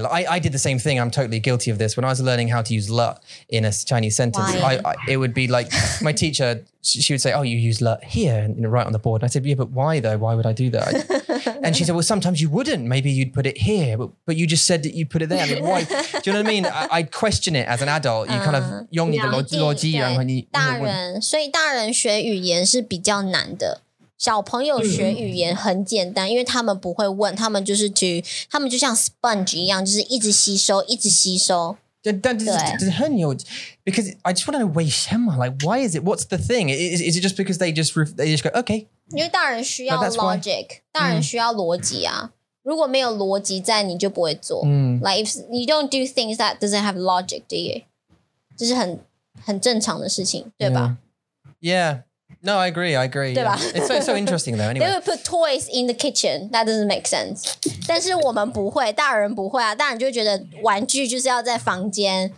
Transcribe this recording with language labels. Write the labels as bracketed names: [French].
[English] Like I did the same thing. I'm totally guilty of this. When I was learning how to use lut in a Chinese sentence, it would be like my teacher, she would say, oh, you use lut here, you know, right on the board. And I said, yeah, but why though? Why would I do that? And she said, well, sometimes you wouldn't. Maybe you'd put it here, but you just said that you put it there. I mean, why? Do you know what I mean? I'd question it as an adult. You kind of [Chinese] 用你的逻辑，然后你大人，所以大人学语言是比较难的。小朋友学语言很简单，因为他们不会问，他们就是去，他们就像 sponge 一样，就是一直吸收，一直吸收。但是很有 [English] ，because I just want to know [Chinese] 为什么 [English] ，like why is it? What's the thing? Is it just because they just go okay? [Chinese] 因为大人需要 logic， 大人需要逻辑啊。如果没有逻辑在，你就不会做。 [English] Like if you don't do things that doesn't have logic, do you? [Chinese] 这是很正常的事情，对吧 [English] ？Yeah. No, I agree. [Chinese] 对吧 [English] ？It's so interesting though. Anyway, they would put toys in the kitchen. That doesn't make sense. [Chinese] 但是我们不会，大人不会啊。大人就觉得玩具就是要在房间，